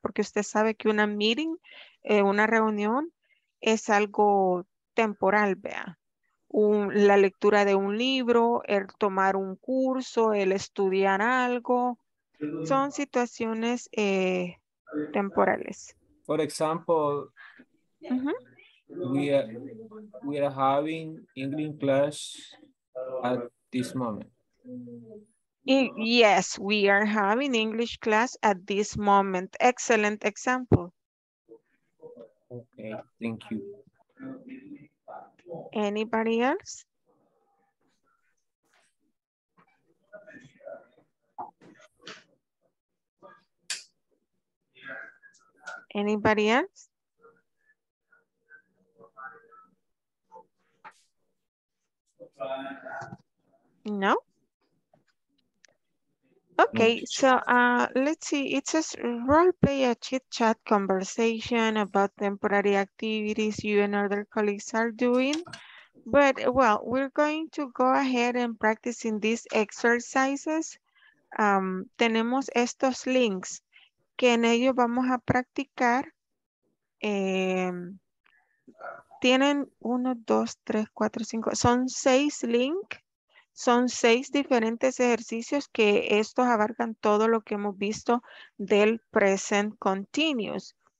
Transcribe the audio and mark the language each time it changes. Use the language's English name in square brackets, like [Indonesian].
[Spanish] Porque usted sabe que una meeting, una reunión, es algo temporal, vea. La lectura de un libro, el tomar un curso, el estudiar algo, son situaciones temporales. [English] For example, we are having English class at this moment. Yes, we are having English class at this moment. Excellent example. Okay, thank you. Anybody else? Anybody else? No? Okay, so let's see, it says role play a chit chat conversation about temporary activities you and other colleagues are doing. But well, we're going to go ahead and practice in these exercises. [Spanish] Tenemos estos links que en ellos vamos a practicar. Tienen uno, dos, tres, cuatro, cinco, son seis links. Son seis diferentes ejercicios que estos abarcan todo lo que hemos visto del present continuous.